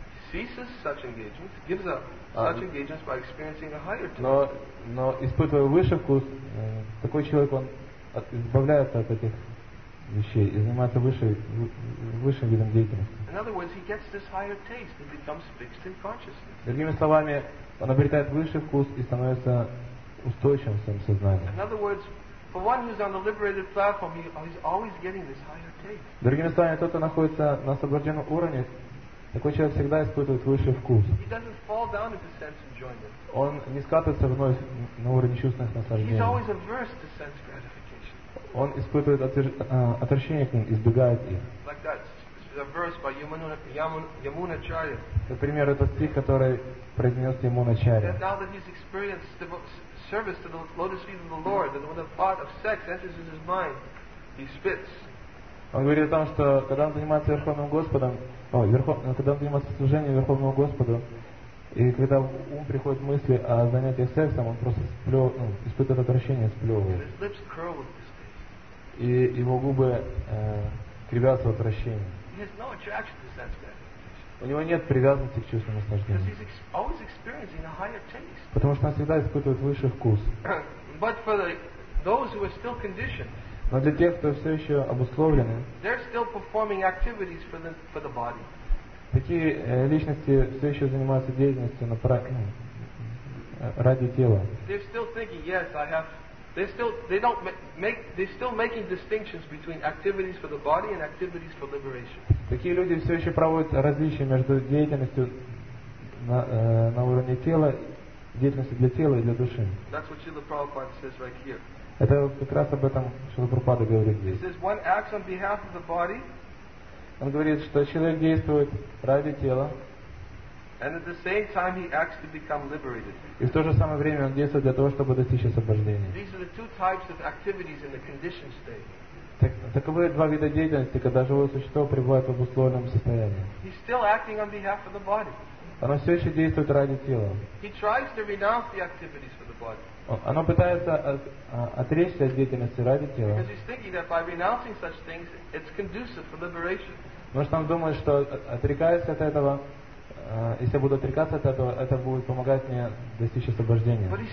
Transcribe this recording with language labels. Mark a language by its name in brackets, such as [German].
[English] ceases such engagements, gives up such engagements by experiencing a higher taste. [Russian] Но испытывая высший вкус, такой человек он избавляется от этих вещей и занимается высшим видом деятельности. [English] In other words, he gets this higher taste and becomes fixed in consciousness. [Russian] Другими словами, он обретает высший вкус и становится устойчивым в своем сознании. [English] In other words, for one who's on the liberated platform, he's always getting this higher taste. [Russian] Другими словами, тот, кто находится на освобожденном уровне, такой человек всегда испытывает высший вкус. [English] He doesn't fall down into sense enjoyment. [Russian] Он не скатывается вновь на уровень чувственных наслаждений. [English] He's always averse to sense gratification. [Russian] Он испытывает отвращение к ним, избегает их. [English] Like that. A verse by Yamunacharya. [Russian] Например, этот стих, который произнес Ямуначарья. [English] That now that he's experienced the service to the lotus feet of the Lord, that when the thought of sex enters into his mind, he spits. [Russian] Он говорит о том, что когда он занимается Верховным Господом, когда он занимается служением Верховному Господу, и когда в ум приходят мысли о занятии сексом, он просто испытывает отвращение, сплевывает. [English] His lips curl with [Russian] И его губы кривятся в отвращении. [English] He has no attraction to sense gratification. [Russian] У него нет привязанности к чувственному наслаждению. [English] Because he's always experiencing a higher taste. [Russian] Потому что он всегда испытывает высший вкус. [English] But for those who are still conditioned, [Russian] но для тех, кто все еще обусловлены, [English] they're still performing activities for the body. [Russian] Такие личности все еще занимаются деятельностью ради тела. [English] They're still thinking, yes, I have. They're still making distinctions between activities for the body and activities for liberation. [Russian] Такие люди все еще проводят различия между деятельностью на уровне тела, деятельностью для тела и для души. [English] That's what Srila Prabhupada says right here. [Russian] Это как раз об этом Шрила Прабхупада говорит здесь. [English] He says one acts on behalf of the body. [Russian] Он говорит, что человек действует ради тела. [English] And at the same time, he acts to become liberated. [Russian] И в то же самое время он действует для того, чтобы достичь освобождения. [English] These are the two types of activities in the conditioned state. [Russian] Таковы два вида деятельности, когда живое существо пребывает в обусловленном состоянии. [English] He's still acting on behalf of the body. [Russian] Оно все еще действует ради тела. [English] He tries to renounce the activities for the body. [Russian] Оно пытается отречься от деятельности ради тела. [English] Because he's thinking that by renouncing such things, it's conducive for liberation. [Russian] Потому что он думает, что отрекаясь от этого, если я буду отрекаться от этого, это будет помогать мне достичь освобождения.